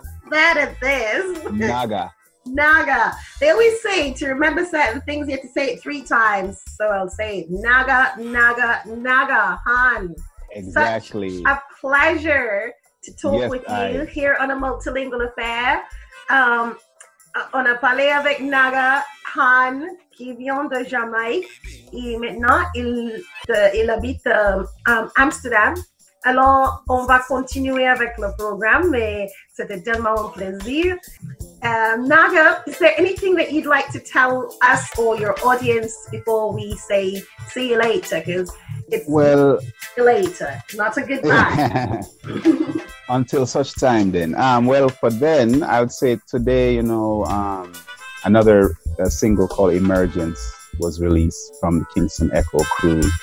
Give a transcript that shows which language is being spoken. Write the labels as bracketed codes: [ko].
[en] That is this. Naga. Naga. They always say to remember certain things, you have to say it three times. So I'll say Naga, Naga, Naga, Han. Exactly. Such a pleasure to talk with you here on A Multilingual Affair. [fr] On a parler avec Naga Han, qui vient de Jamaïque, et maintenant il habite Amsterdam. Alors, on va continuer avec le programme, mais c'était tellement un plaisir. [en] Naga, is there anything that you'd like to tell us or your audience before we say see you later? Because it's later, not a good time. Until such time then. For then, I would say today, you know, another single called Emergence was released from the Kingston Echo crew.